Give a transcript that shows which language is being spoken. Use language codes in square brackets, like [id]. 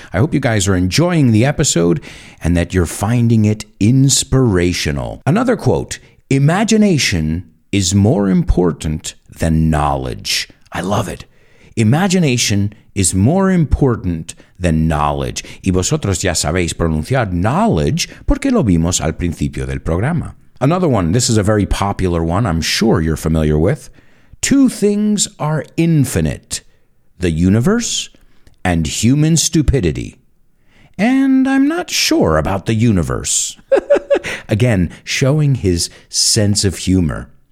[en] I hope you guys are enjoying the episode and that you're finding it inspirational. Another quote: imagination is more important than knowledge. I love it. Imagination is more important than knowledge. [es] Y vosotros ya sabéis pronunciar knowledge porque lo vimos al principio del programa. [en] Another one, this is a very popular one I'm sure you're familiar with. Two things are infinite: the universe and human stupidity. And I'm not sure about the universe. Again, showing his sense of humor.